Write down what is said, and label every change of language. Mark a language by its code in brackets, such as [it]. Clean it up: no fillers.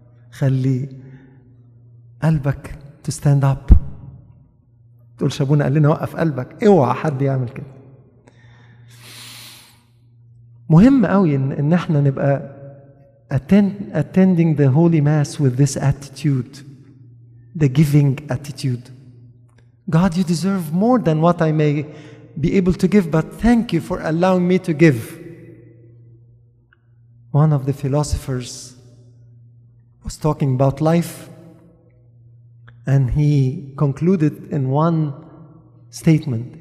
[ar] خلي قلبك [en] to stand up. [ar] تقول شابونا قال لنا وقف قلبك. اوعى حد يعمل كده. مهم قوي ان احنا نبقى [en] attending the Holy Mass with this attitude, the giving attitude. God, you deserve more than what I may be able to give, but thank you for allowing me to give. One of the philosophers was talking about life, and he concluded in one statement.